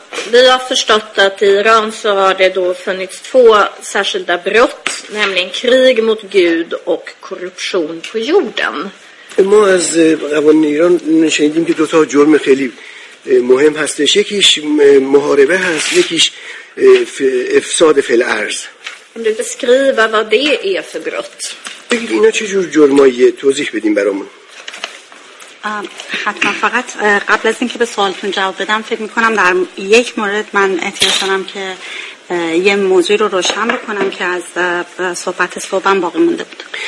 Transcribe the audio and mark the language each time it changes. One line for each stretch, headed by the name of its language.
Swedish: Vi har förstått att i Iran så har det då funnits två särskilda brott, nämligen krig mot Gud och korruption på jorden.
Persian: ما از قوانین ایران شنیدیم که دو تا جرم خیلی مهم هستش، یکیش محاربه هست، یکیش افساد فی الارض.
Swedish: Du beskriva vad det är för brott.
Persian: بگید اینا چه جور جرمایی، توضیح بدیم برامون. حتما، فقط قبل از اینکه به سوالتون جواب بدم فکر میکنم در یک مورد من احتیاج دارم که یه موضوع رو روشن بکنم که از صحبت صحبم باقی مونده بود.